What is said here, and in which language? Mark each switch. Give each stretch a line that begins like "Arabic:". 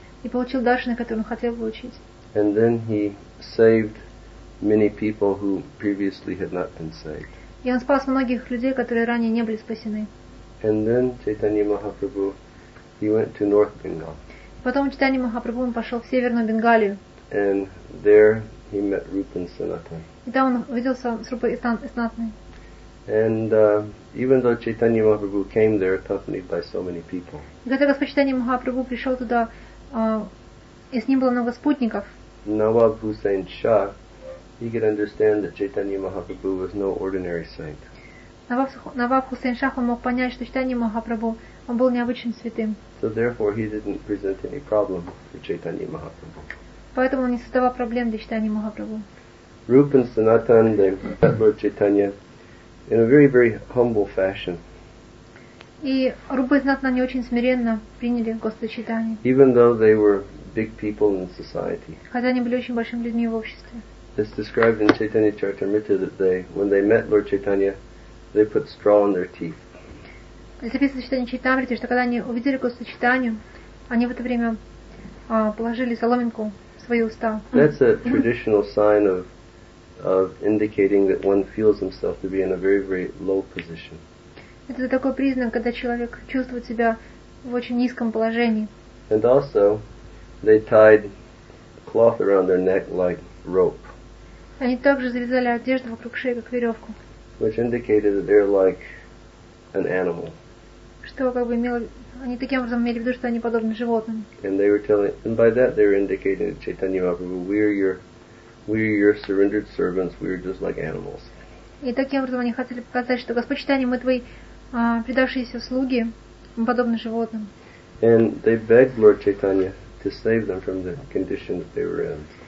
Russian: И получил даршаны, которые он хотел получить.
English: And then he saved many people who previously had not been saved.
Russian: И он спас многих людей, которые ранее не были спасены.
English: And then Chaitanya Mahaprabhu, he went to North Bengal.
Russian: Потом Чайтанья Махапрабху пошел в Северную Бенгалию.
English: And there he met Rupa and Sanatana.
Russian: И там он виделся с Рупой и Санатаной.
English: And even though Chaitanya Mahaprabhu came there accompanied by so many people.
Russian: И хотя Господь Чайтанья Махапрабху пришел туда, и с ним было много спутников.
English: Nawab Hussain Shah, he could understand that Chaitanya Mahaprabhu was no ordinary saint.
Russian: Наваб Хусейн Шах мог понять, что Чайтанья Махапрабху он был необычным святым.
English: So therefore he didn't present any problem for Chaitanya Mahaprabhu.
Russian: Поэтому он не создавал проблем для Чайтанья Махапрабху.
English: Rupa and Sanatan, they met Lord Chaitanya in a very, very humble fashion.
Russian: И Рупа и Санатана не очень смиренно приняли Господа Чайтанью.
English: Even though they were big people in society.
Russian: Хотя они были очень большими людьми в обществе.
English: It's described in Chaitanya Charitamrita that they, when they met Lord Chaitanya, they put straw in their teeth.
Russian: Записано в Чайтанья Чаритамрите, что когда они увидели Господа Чайтанью, они в это время положили соломинку в свои уста.
English: That's a traditional sign of indicating that one feels himself to be in a very, very low position.
Russian: Это такой признак, когда человек чувствует себя в очень низком положении.
English: And also, they tied cloth around their neck like rope.
Russian: Они также завязали одежду вокруг шеи, как веревку.
English: Which indicated that they're like an animal.
Russian: Что как бы имело... Они таким образом имели в виду, что они подобны животным.
English: And they were telling... And by that they were indicating to Chaitanya Mahaprabhu, we're your surrendered servants, we're just like animals.
Russian: И таким образом они хотели показать, что Господь Чайтанья, мы твои предавшиеся слуги, мы подобны животным.
English: And they begged Lord Chaitanya to save them from the condition that they were in.